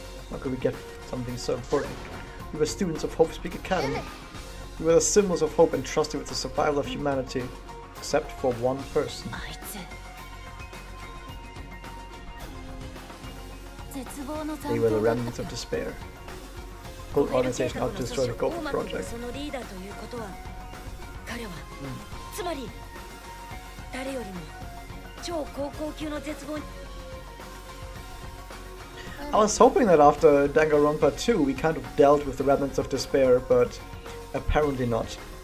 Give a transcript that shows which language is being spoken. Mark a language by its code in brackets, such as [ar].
[en] How could we get something so important? We were students of Hope Speak Academy. We were the symbols of hope entrusted with the survival of humanity, except for one person. [ja] あいつ。絶望の残酷。 [en] They were the remnants of despair. Cult organization out to destroy the Gopher Project. [ja] そのリーダーということは、彼は、つまり。 [en] I was hoping that after Danganronpa 2 we kind of dealt with the remnants of despair, but apparently not.